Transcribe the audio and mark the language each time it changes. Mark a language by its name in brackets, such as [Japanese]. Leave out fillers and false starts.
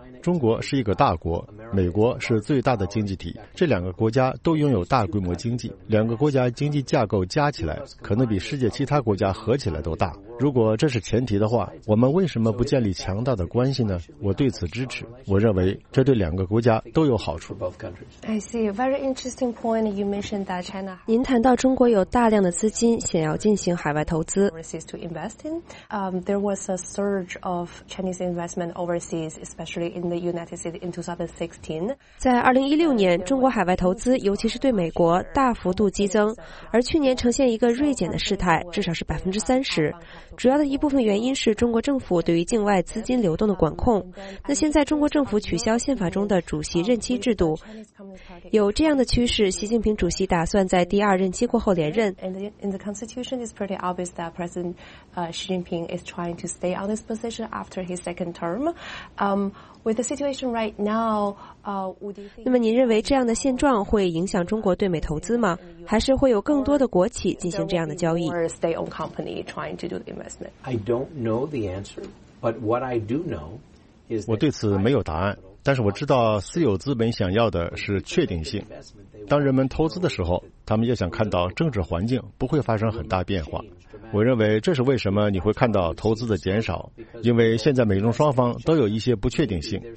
[Chinese] 中国是一个大国，美国是最大的经济体，这两个国家都拥有大规模经济，两个国家经济架构加起来可能比世界其他国家合起来都大。如果这是前提的话，我们为什么不建立强大的关系呢？我对此支持，我认为这对两个国家都有好处。 [English] I see a very interesting point you mentioned that China. [Chinese] 您谈到中国有大量的资金想要进行海外投资。 [English] To invest in. there was a surge of Chinese investment overseas, especially in the United States in 2016. [Chinese] 在2016年，中国海外投资，尤其是对美国，大幅度激增，而去年呈现一个锐减的势态，至少是30%。主要的一部分原因是中国政府对于境外资金流动的管控。那现在中国政府取消宪法中的主席任期制度，有这样的趋势，习近平主席打算在第二任期过后连任。 [English] In the Constitution, it's pretty obvious that President Xi Jinping is trying to stay on this position after his second term. With the situation right now, [Chinese] 那么您认为这样的现状会影响中国对美投资吗？还是会有更多的国企进行这样的交易 [English] ？Or state-owned company trying to do the investment? I don't know the answer, but what I do know is [Chinese] 我对此没有答案。但是我知道私有资本想要的是确定性。当人们投资的时候，他们也想看到政治环境不会发生很大变化。我认为这是为什么你会看到投资的减少，因为现在美中双方都有一些不确定性。